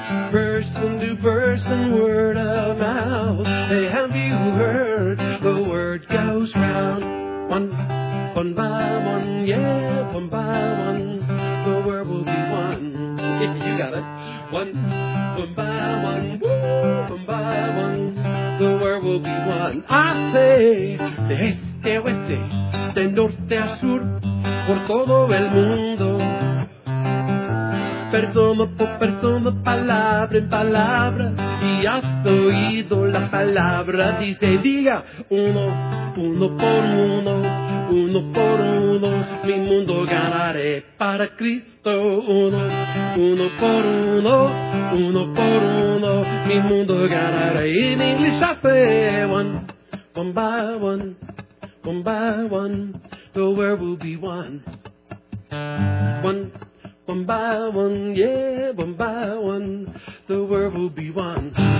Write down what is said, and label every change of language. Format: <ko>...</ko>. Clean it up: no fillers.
<en>Person to person, word of mouth, hey, have you heard? The word goes round. One by one, yeah, one by one, the world will be one. You got it. One by one, woo, one by one, the world will be one. I say,</en> <es>de este a oeste, de norte a sur, por todo el mundo. Persona por persona, palabra en palabra, y has oído la palabra. Dice, diga, uno, uno por uno, uno por uno, mi mundo ganaré para Cristo. Uno, uno por uno, uno por uno, mi mundo ganaré.</es> <en>In English I say, one by one, the world will be one. One by one, yeah, one by one, the world will be one.</en>